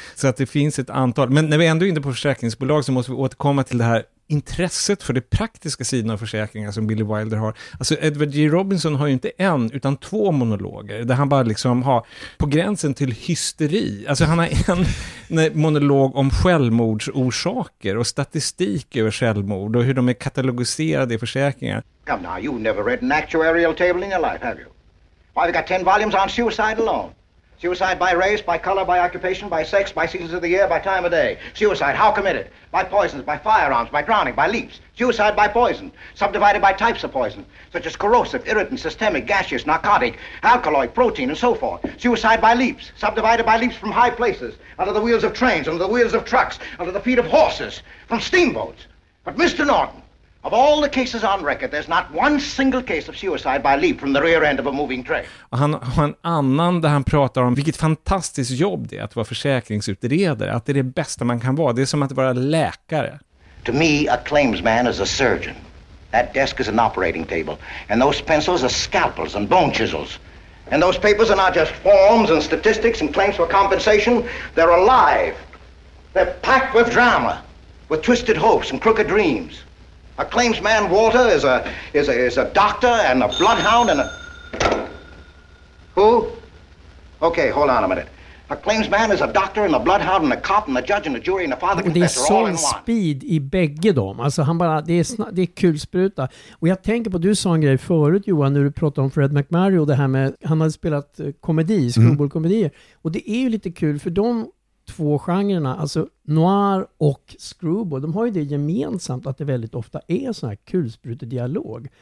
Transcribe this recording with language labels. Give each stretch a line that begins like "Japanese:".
Swedish: Så att det finns ett antal. Men när vi ändå är inne på försäkringsbolag, så måste vi återkomma till det här intresset för det praktiska sidan av försäkringar som Billy Wilder har. Alltså Edward G. Robinson har ju inte en utan två monologer där han bara liksom har på gränsen till hysteri. Alltså han har en monolog om självmordsorsaker och statistik över självmord och hur de är katalogiserade i försäkringar.
English: Come now, you've never read an actuarial table in your life, have you? Why, we've got 10 volumes on suicide alone. Suicide by race, by color, by occupation, by sex, by seasons of the year, by time of day. Suicide, how committed? By poisons, by firearms, by drowning, by leaps. Suicide by poison, subdivided by types of poison, such as corrosive, irritant, systemic, gaseous, narcotic, alkaloid, protein, and so forth. Suicide by leaps, subdivided by leaps from high places, under the wheels of trains, under the wheels of trucks, under the feet of horses, from steamboats. But Mr. Norton, of all the cases on record, there's not one single case of suicide by leap from the rear end of a moving train.
Swedish: Och han har en annan där han pratar om vilket fantastiskt jobb det är att vara försäkringsutredare, att det är det bästa man kan vara. Det är som att vara läkare.
English: To me, a claims man is a surgeon. That desk is an operating table, and those pencils are scalpels and bone chisels. And those papers are not just forms and statistics and claims for compensation. They're alive. They're packed with drama, with twisted hopes and crooked dreams. A claims man, Walter, is a doctor and a bloodhound and a... Who? Okay, hold on a minute. A claims man is a doctor and a bloodhound and a cop and a judge and a jury and a father confessor all in one.
Swedish: Det är sån speed i bägge dem. Alltså han bara, det är kulspruta. Och jag tänker på, du sa en grej förut, Johan, när du pratade om Fred McMurray och det här med, han hade spelat komedi, screwball-komedier. Och det är ju lite kul för de två genrerna, alltså noir och screwball, de har ju det gemensamt att det väldigt ofta är sån här kulsprutedialog.